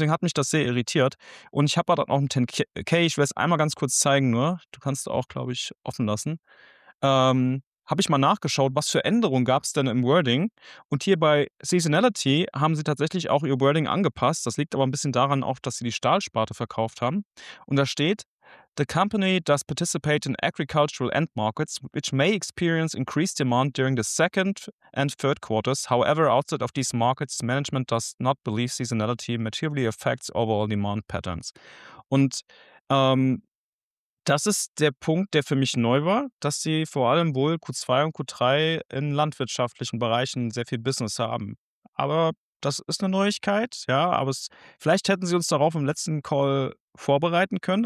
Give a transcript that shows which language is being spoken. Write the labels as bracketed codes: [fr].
[de] Deswegen hat mich das sehr irritiert. Und ich habe da noch einen 10K, ich will es einmal ganz kurz zeigen nur, du kannst auch, glaube ich, offen lassen. Habe ich mal nachgeschaut, was für Änderungen gab es denn im Wording. Und hier bei Seasonality haben sie tatsächlich auch ihr Wording angepasst. Das liegt aber ein bisschen daran auch, dass sie die Stahlsparte verkauft haben. [en] Und da steht, the company does participate in agricultural end markets, which may experience increased demand during the second and third quarters. However, outside of these markets, management does not believe seasonality materially affects overall demand patterns. [de] Und das ist der Punkt, der für mich neu war, dass sie vor allem wohl Q2 und Q3 in landwirtschaftlichen Bereichen sehr viel Business haben. Aber das ist eine Neuigkeit, ja, aber vielleicht hätten sie uns darauf im letzten Call vorbereiten können.